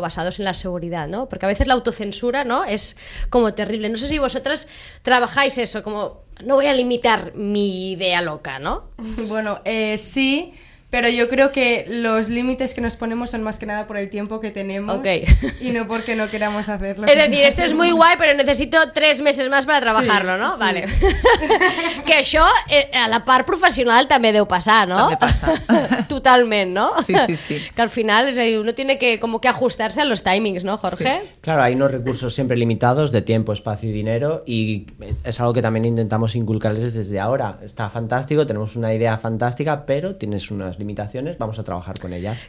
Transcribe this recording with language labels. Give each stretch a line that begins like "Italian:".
Spanish: Basados en la seguridad, ¿no? Porque a veces la autocensura, ¿no? Es como terrible. No sé si vosotras trabajáis eso, como no voy a limitar mi idea loca, ¿no? Bueno, sí, pero yo creo que los límites que nos ponemos son más que nada por el tiempo que tenemos. Okay. Y no porque no queramos hacerlo. Es decir, esto es muy guay, pero necesito 3 meses más para trabajarlo, sí, ¿no? Sí. Vale.
Catalan: Que això, a la part professional també deu passar, ¿no? També passa. Totalment, ¿no? Sí, sí, sí.
Spanish: Que al final, es decir, uno tiene que como que ajustarse a los timings, ¿no, Jorge? Sí. Claro, hay unos recursos siempre limitados de tiempo, espacio y dinero, y es algo que también intentamos inculcarles desde ahora. Está fantástico, tenemos una idea fantástica, pero tienes unas limitaciones, vamos a trabajar con ellas.